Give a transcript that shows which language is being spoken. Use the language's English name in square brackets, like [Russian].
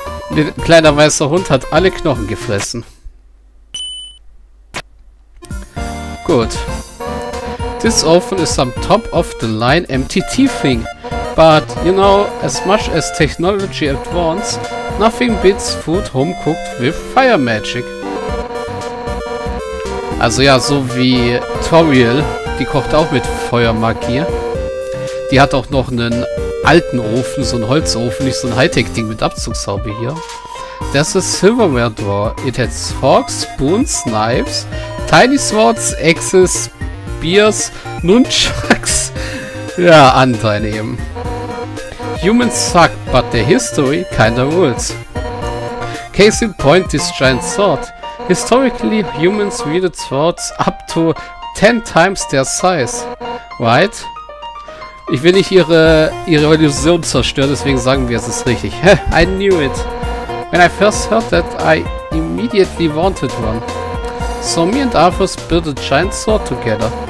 [German] Der kleine weiße Hund hat alle Knochen gefressen. Gut. [English] This oven is some top-of-the-line MTT thing. But, you know, as much as technology advances, nothing beats food home-cooked with fire magic. [German] Also ja, so wie Toriel, die kocht auch mit Feuermagie. Die hat auch noch einen alten Ofen, so einen Holzofen, nicht so ein Hightech-Ding mit Abzugshaube hier. Das ist Silverware Drawer. [English] It has forks, spoons, knives, tiny swords, axes, spears, nunchucks. [German] Ja, andein eben. [English] Humans suck, but the history kinda rules. Case in point, this giant sword. Historically, humans wielded swords up to 10 times their size. Right? [German] Ich will nicht ihre Illusion zerstören, deswegen sagen wir, es ist richtig. [English] I knew it. When I first heard that, I immediately wanted one. So me and Arthur built a giant sword together.